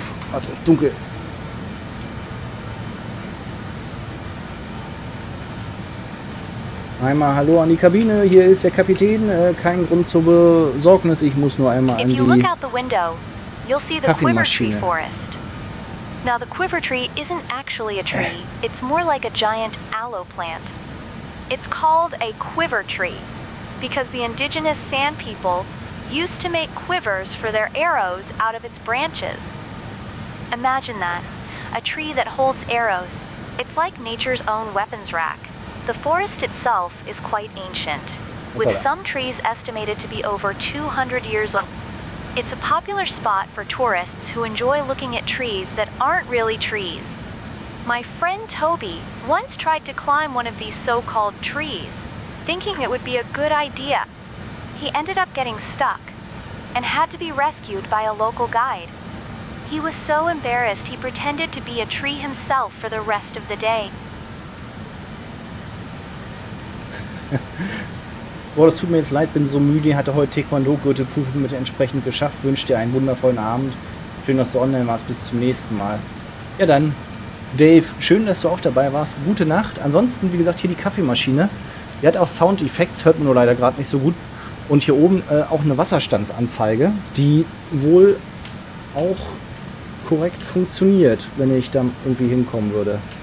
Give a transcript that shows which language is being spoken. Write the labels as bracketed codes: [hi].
[de] Warte, ist dunkel. Einmal hallo an die Kabine, hier ist der Kapitän. Kein Grund zur Besorgnis, ich muss nur einmal an die Kaffeemaschine. [en] Now the quiver tree isn't actually a tree, it's more like a giant aloe plant. It's called a quiver tree, because the indigenous sand people used to make quivers for their arrows out of its branches. Imagine that, a tree that holds arrows. It's like nature's own weapons rack. The forest itself is quite ancient, with some trees estimated to be over 200 years old. It's a popular spot for tourists who enjoy looking at trees that aren't really trees. My friend Toby once tried to climb one of these so-called trees, thinking it would be a good idea. He ended up getting stuck and had to be rescued by a local guide. He was so embarrassed he pretended to be a tree himself for the rest of the day. [de] Boah, das tut mir jetzt leid, bin so müde, hatte heute Taekwondo-Gürtelprüfung mit entsprechend geschafft, wünsche dir einen wundervollen Abend, schön, dass du online warst, bis zum nächsten Mal. Ja dann, Dave, schön, dass du auch dabei warst, gute Nacht, ansonsten, wie gesagt, hier die Kaffeemaschine, die hat auch Soundeffekte, hört man nur leider gerade nicht so gut, und hier oben auch eine Wasserstandsanzeige, die wohl auch korrekt funktioniert, wenn ich da irgendwie hinkommen würde.